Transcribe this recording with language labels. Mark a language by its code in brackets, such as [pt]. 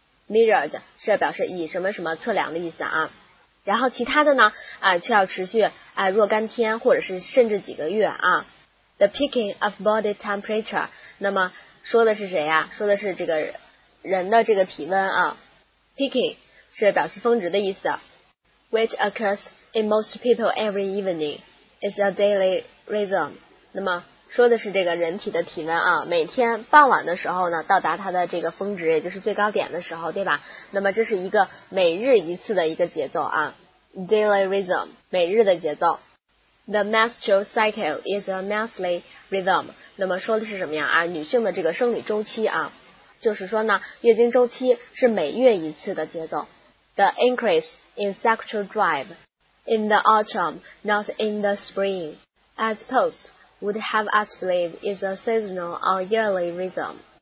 [zh] Mirrored 是表示以什么什么测量的意思啊。然后其他的呢，却要持续若干天或者是甚至几个月啊。 [en] The peaking of body temperature, [zh] 那么说的是谁呀？说的是这个人的这个体温啊。 Peaking 是表示峰值的意思。 [en] Which occurs in most people every evening is a daily rhythm. [zh] 那么说的是这个人体的体温啊，每天傍晚的时候呢到达它的这个峰值，也就是最高点的时候，对吧？那么这是一个每日一次的一个节奏啊， daily rhythm, 每日的节奏。 [en] The menstrual cycle is a monthly rhythm. [zh] 那么说的是什么呀？啊，女性的这个生理周期啊，就是说呢月经周期是每月一次的节奏。 [en] The increase in sexual drive in the autumn, not in the spring, as posts would have us believe is a seasonal or yearly rhythm.